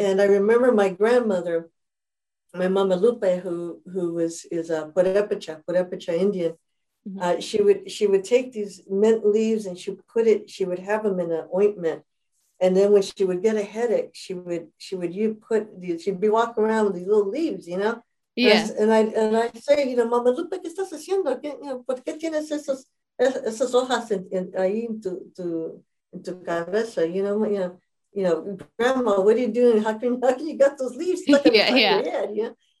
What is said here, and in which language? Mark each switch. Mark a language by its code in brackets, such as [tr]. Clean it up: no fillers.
[en] And I remember my grandmother, my Mama Lupe, who is a Purépecha Indian, mm-hmm. she would take these mint leaves and she would have them in an ointment. And then when she would get a headache, she'd be walking around with these little leaves, you know? Yes. And I say, you know, [es] Mama Lupe, ¿qué estás haciendo? ¿Por qué tienes esas hojas ahí en tu cabeza? [en] You know, Grandma, what are you doing? How can you got those leaves stuck in your head?